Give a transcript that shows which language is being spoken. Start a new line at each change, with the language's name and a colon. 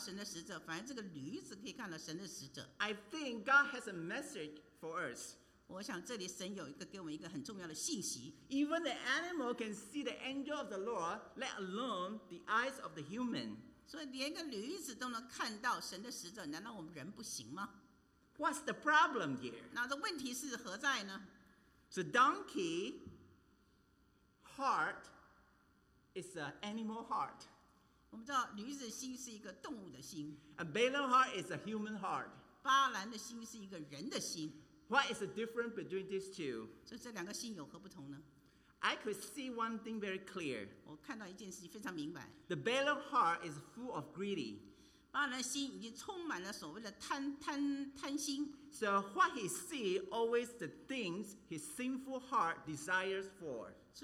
Chinese: 有意思就是人看不到神的使者，反而这个驴子可以看到神的使者。
English: I think God has a message for us.
Chinese: 我想这里神有一个给我们一个很重要的信息。
English: Even the animal can see the angel of the Lord, let alone the eyes of the human.
Chinese: 所以连个驴子都能看到神的使者，难道我们人不行吗？
English: What's the problem here?
Chinese: 那这问题是何在呢？
English: So donkey heart is an animal heart.
Chinese: 我们知道驴子心是一个动物的心。
English: A Balaam heart is a human heart.
Chinese: 巴兰的心是一个人的心。
English: What is the difference between these two?
Chinese: 所以这两个心有何不同呢？
English: I could see one thing very clear.
Chinese: 我看到一件事情非常明白。
English: The Balaam heart is full of greedy.
Chinese: 巴兰的心已经充满了所谓的贪心。
English: So what he sees always the things his sinful heart desires for.